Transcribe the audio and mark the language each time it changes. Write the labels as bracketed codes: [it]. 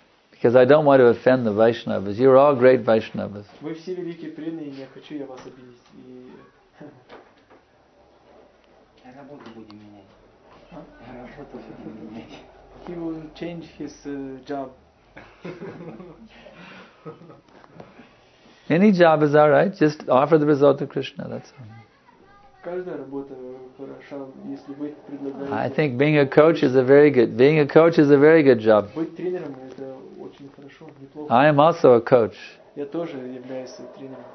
[en] Because I don't want to offend the Vaishnavas. You're all great Vaishnavas. [ru] Вы все великие преданные, я хочу я вас обидеть. И работу будем менять. [en] He will change his job. Any job is all right. Just offer the result to Krishna. That's all. [ru] Каждая работа хороша, если вы предлагаете. [en] I think being a coach is a very good job. [ru] Быть тренером это очень хорошо, неплохо. [en] I am also a coach. [ru] Я тоже являюсь тренером.